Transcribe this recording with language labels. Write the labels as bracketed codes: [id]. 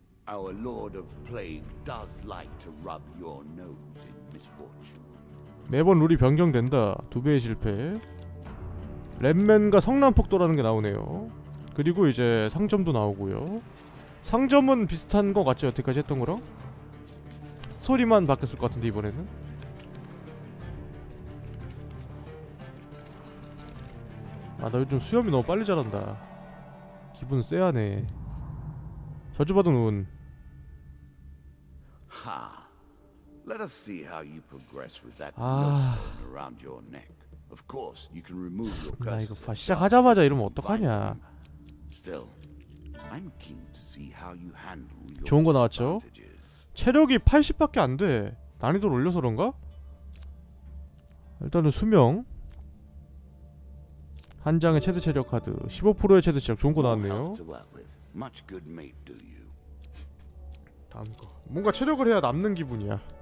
[en] Our Lord of Plague does like to rub your nose in misfortune. [ko] 매번 룰이 변경된다. 두 배의 실패. 랩맨과 성난폭도라는 게 나오네요. 그리고 이제 상점도 나오고요. 상점은 비슷한 것 같죠, 여태까지 했던 거랑? 스토리만 바뀌었을 것 같은데 이번에는? 아, 나 요즘 수염이 너무 빨리 자란다. 기분 쎄하네. 저주받은 운. [en] 하, Let us see how you progress with that millstone around your neck. Of course, you can remove your curse. [ko] 나 이거 봐, 시작하자마자 이러면 어떡하냐. [en] Still, I'm keen to see how you handle your advantages. [ko] 좋은 거 나왔죠? 체력이 80밖에 안 돼. 난이도를 올려서 그런가? 일단은 수명. 한 장의 최대 체력 카드. 15%의 최대 체력. 좋은 거 나왔네요. [en] Much good mate, do you? [ko] 다음 거. 뭔가 체력을 해야 남는 기분이야.